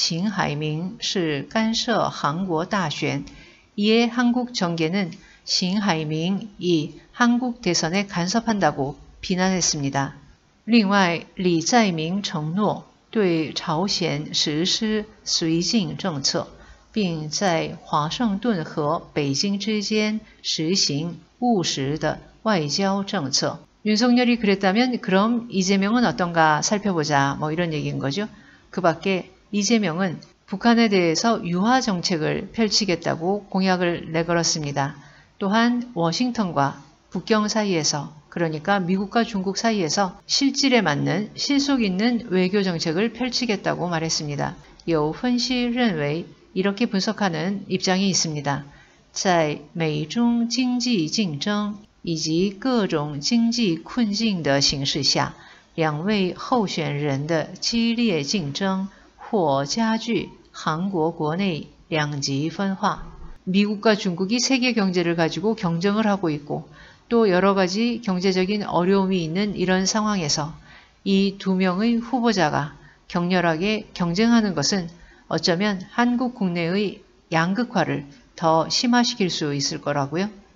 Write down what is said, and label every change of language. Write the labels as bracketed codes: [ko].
[zh] 韩国政界指责邢海明是干涉韩国大选. [ko] 이에 한국 정계는 邢海明이 한국 대선에 간섭한다고 비난했습니다. [zh] 另外，李在明承诺对朝鲜实施绥靖政策，并在华盛顿和北京之间实行务实的外交政策。 [ko] 윤석열이 그랬다면 그럼 이재명은 어떤가 살펴보자 뭐 이런 얘기인 거죠. 그 밖에 이재명은 북한에 대해서 유화 정책을 펼치겠다고 공약을 내걸었습니다. 또한 워싱턴과 북경 사이에서, 그러니까 미국과 중국 사이에서 실질에 맞는 실속 있는 외교 정책을 펼치겠다고 말했습니다. [zh] 有分析认为, [ko] 이렇게 분석하는 입장이 있습니다. [zh] 在美中经济竞争 以及各种经济困境的形势下，两位候选人的激烈竞争或加剧韩国国内两极分化。 [ko] 미국과 중국이 세계 경제를 가지고 경쟁을 하고 있고 또 여러 가지 경제적인 어려움이 있는 이런 상황에서 이 두 명의 후보자가 격렬하게 경쟁하는 것은 어쩌면 한국 국내의 양극화를 더 심화시킬 수 있을 거라고요.